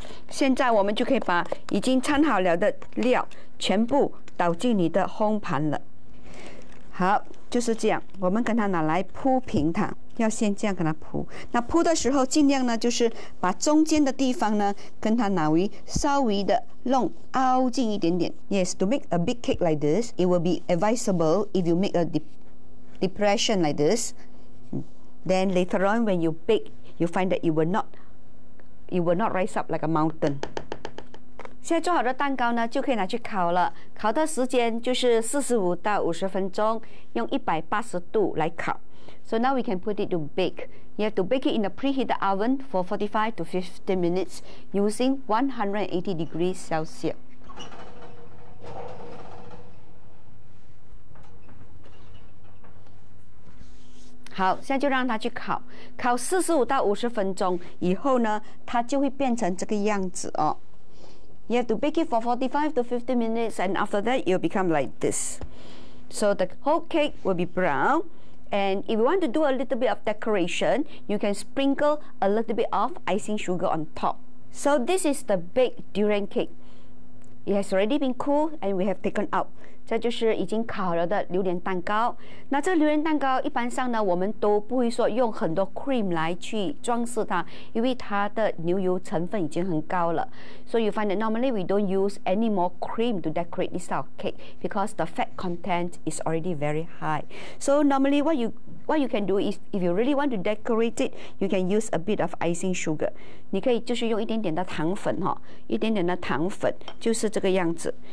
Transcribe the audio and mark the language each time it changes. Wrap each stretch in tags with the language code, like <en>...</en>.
<zh>现在我们就可以把已经掺好了的料全部倒进你的烘盘了。好。就是这样，我们跟它拿来铺平它，要先这样跟它铺。那铺的时候，尽量呢，就是把中间的地方呢，跟它拿为稍微的弄凹进一点点。</zh> <en>Yes, to make a big cake like this, it will be advisable if you make a depression like this. Then later on, when you bake, you find that it will not rise up like a mountain.</en> <zh>现在做好的蛋糕呢，就可以拿去烤了。烤的时间就是45到50分钟，用180度来烤。</zh> <en>So now we can put it to bake. You have to bake it in a preheated oven for 45 to 50 minutes using 180°C.</en> <zh>好，现在就让它去烤，烤45到50分钟以后呢，它就会变成这个样子哦。</zh> <en>You have to bake it for 45 to 50 minutes, and after that, it will become like this. So the whole cake will be brown. And if you want to do a little bit of decoration, you can sprinkle a little bit of icing sugar on top. So this is the baked durian cake. It has already been cooled, and we have taken out.</en> <zh>这就是已经烤了的榴莲蛋糕。那这榴莲蛋糕一般上呢，我们都不会说用很多 cream 来去装饰它，因为它的牛油成分已经很高了。</zh> <en>So you find that normally we don't use any more cream to decorate this type of cake because the fat content is already very high. So normally what you can do is if you really want to decorate it, you can use a bit of icing sugar.</en> <zh>你可以就是用一点点的糖粉哈，一点点的糖粉就是这个样子。</zh>